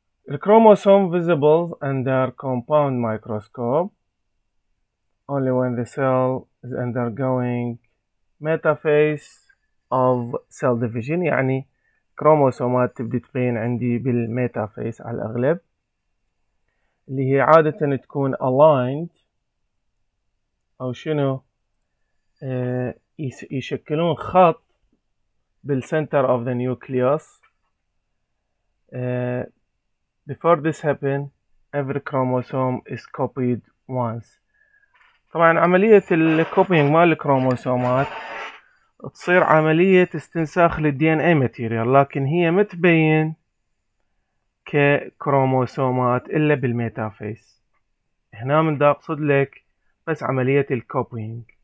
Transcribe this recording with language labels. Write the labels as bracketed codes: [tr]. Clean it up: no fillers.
[ar] الكروموسوم visible under compound microscope only when the cell is undergoing metaphase of cell division، يعني كروموسومات تبدي تبين عندي بالميتافيس على الأغلب، اللي هي عادة تكون aligned أو شنو يشكلون خط بال center of the nucleus. [en] Before this happen every chromosome is copied once. [ar] طبعا عملية الكوبينج مال الكروموسومات تصير عملية استنساخ للدي ان اي ماتيريال، لكن هي متبين ككروموسومات الا بالميتافيس. هنا من دا اقصد لك بس عملية الكوبينج.